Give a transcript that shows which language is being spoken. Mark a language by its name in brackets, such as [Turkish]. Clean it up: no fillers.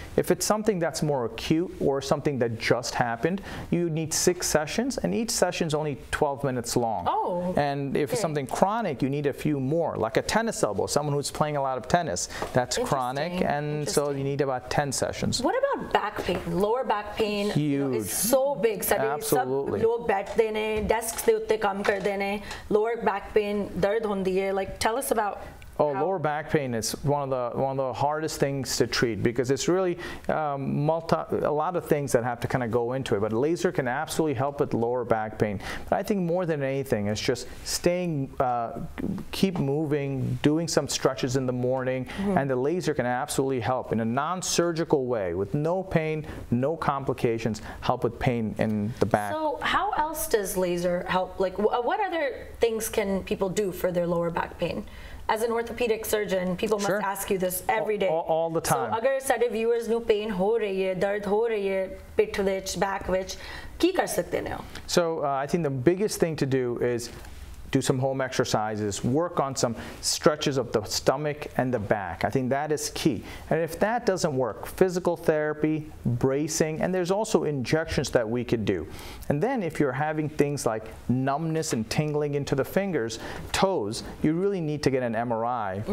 [English] If it's something that's more acute or something that just happened, you need 6 sessions, and each session's only 12 minutes long. Oh. And if it's something chronic, you need a few more, like a tennis elbow, someone who's playing a lot of tennis. That's chronic, and so you need about 10 sessions. What about back pain? Lower back pain. Huge. You know, is so big. Absolutely. [Punjabi] ਸਭ ਲੋਕ ਬੈਠਦੇ ਨੇ, desks ਦੇ ਉੱਤੇ ਕੰਮ ਕਰਦੇ ਨੇ, lower back pain, ਦਰਦ ਹੁੰਦੀ ਹੈ. [English] Like, tell us about. Oh, lower back pain is one of the hardest things to treat, because it's really a lot of things that have to kind of go into it. But laser can absolutely help with lower back pain. But I think more than anything, it's just staying, keep moving, doing some stretches in the morning, mm-hmm. and the laser can absolutely help in a non-surgical way with no pain, no complications, help with pain in the back. So how else does laser help? Like, what other things can people do for their lower back pain? As an orthopedic surgeon, people sure. must ask you this every day. All the time. [Punjabi] So, ਅਗਰ ਸਾਡੇ viewers ਨੂੰ pain ਹੋ ਰਹੀ ਹੈ, ਦਰਦ ਹੋ ਰਹੀ ਹੈ, ਪੇਟ ਵਿਚ, back ਵਿਚ, ਕੀ ਕਰ ਸਕਦੇ ਨਾਓ? [English] So, I think the biggest thing to do is do some home exercises, work on some stretches of the stomach and the back. I think that is key. And if that doesn't work, physical therapy, bracing, and there's also injections that we could do. And then if you're having things like numbness and tingling into the fingers, toes, you really need to get an MRI mm-hmm.